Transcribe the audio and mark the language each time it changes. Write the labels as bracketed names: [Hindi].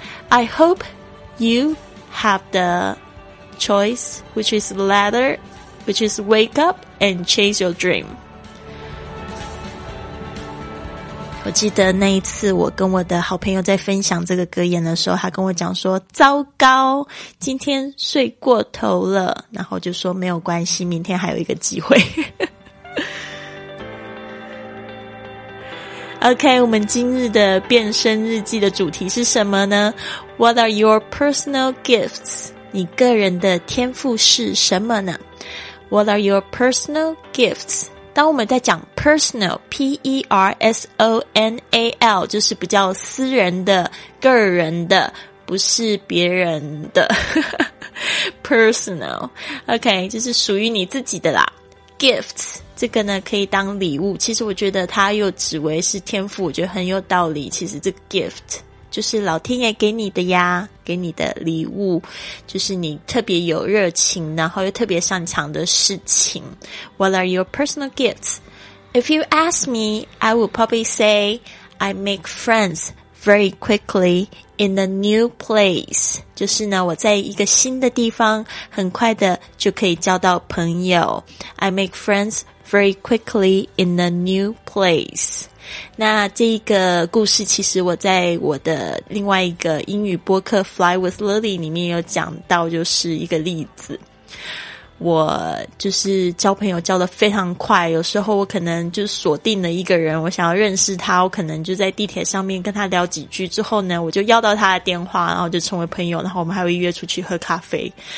[English] I hope you have the choice, which is the latter, which is wake up and chase your dream. [Chinese] 我记得那一次我跟我的好朋友在分享这个格言的时候，他跟我讲说，糟糕，今天睡过头了，然后就说没有关系，明天还有一个机会。 OK, 我们今日的变身日记的主题是什么呢？ [English] What are your personal gifts? [Chinese] 你个人的天赋是什么呢？ [English] What are your personal gifts? [Chinese] 当我们在讲 personal, P-E-R-S-O-N-A-L, 就是比较私人的，个人的，不是别人的。 personal, OK, 就是属于你自己的啦。 Gifts, 这个呢可以当礼物，其实我觉得它又指为是天赋，我觉得很有道理。其实这个 gift 就是老天爷给你的呀，给你的礼物，就是你特别有热情然后又特别擅长的事情。 [English] What are your personal gifts? If you ask me, I would probably say I make friends very quickly in a new place. [Chinese] 就是呢，我在一个新的地方很快的就可以交到朋友。 [English] I make friends very quickly in a new place. [Chinese] 那这一个故事其实我在我的另外一个英语播客 Fly with Lily 里面有讲到，就是一个例子，我就是交朋友交得非常快，有时候我可能就锁定了一个人，我想要认识他，我可能就在地铁上面跟他聊几句之后呢，我就要到他的电话，然后就成为朋友，然后我们还会约出去喝咖啡，